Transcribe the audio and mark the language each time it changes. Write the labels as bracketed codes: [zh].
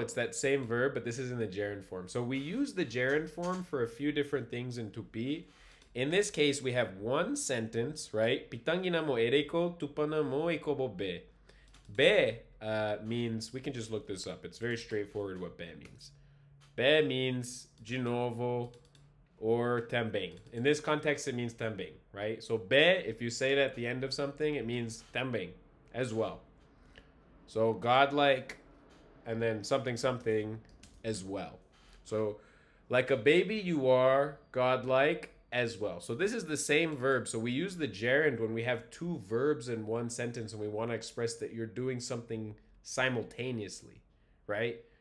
[en] It's that same verb, but this is in the gerund form. So we use the gerund form for a few different things in tupi. In this case, we have one sentence, right? [tpw] Pitanginamo ereiko, tupanamo ekobo be. [en] Be means, we can just look this up. It's very straightforward what be means. Be means [pt] de novo [en] or também. In this context, it means também, right? So be, if you say it at the end of something, it means também as well. So godlike and then something something as well. So like a baby, you are godlike as well. So this is the same verb. So we use the gerund when we have two verbs in one sentence and we want to express that you're doing something simultaneously, right?